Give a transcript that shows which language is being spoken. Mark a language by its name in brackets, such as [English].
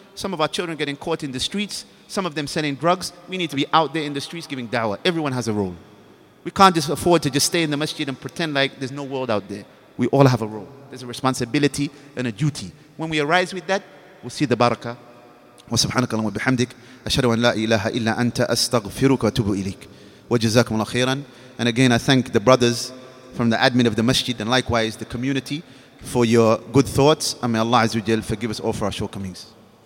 [English] Some of our children getting caught in the streets. Some of them selling drugs. We need to be out there in the streets giving da'wah. Everyone has a role. We can't just afford to just stay in the masjid and pretend like there's no world out there. We all have a role. There's a responsibility and a duty. When we arise with that, we'll see the barakah. [Arabic] وسبحانك اللهم وبحمدك أشهد أن لا إله إلا أنت أستغفرك وأتوب إليك وجزاكم الله خيرا. [English] And again, I thank the brothers from the admin of the masjid and likewise the community for your good thoughts. And may Allah Azza wa Jalla forgive us all for our shortcomings.